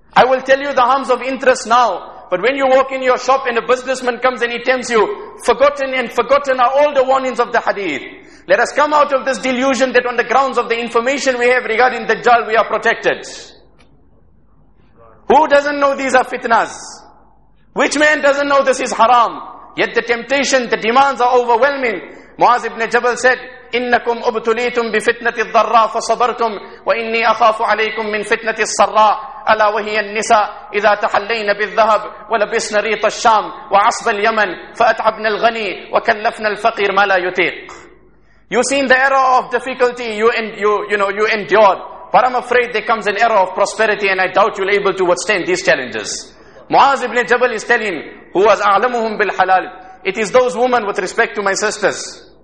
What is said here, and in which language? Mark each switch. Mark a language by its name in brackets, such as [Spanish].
[English] I will tell you the harms of interest now. But when you walk in your shop and a businessman comes and he tempts you, forgotten are all the warnings of the hadith. Let us come out of this delusion that on the grounds of the information we have regarding Dajjal, we are protected. Who doesn't know these are fitnas? Which man doesn't know this is haram? Yet the temptation, the demands are overwhelming. [Arabic] Muaz ibn Jabal said, إِنَّكُمْ أُبْتُلِيتُمْ بِفِتْنَةِ الضَّرَّى فَصَبَرْتُمْ وَإِنِّي أَخَافُ عَلَيْكُمْ مِنْ فِتْنَةِ الصَّرَّى أَلَا وَهِيَ النِّسَاءُ إِذَا تَحَلَّيْنَ بِالذَّهَبِ وَلَبِسْنَ رِيطَ الشَّامِ وَعَصْبَ الْيَمَنِ فَأَتْعَبْنَا الْغَنِيَّ وَكَلَّفْنَا الْفَقِيرَ مَا لَا يُطِيقُ. [English] You seen the era of difficulty you endured, but I'm afraid there comes an era of prosperity and I doubt you'll able to withstand these challenges. Muaz ibn Jabal is telling, who was [Arabic] أَعْلَمُهُمْ بِالْحَلَالِ, [English] it is those women with respect to my sisters.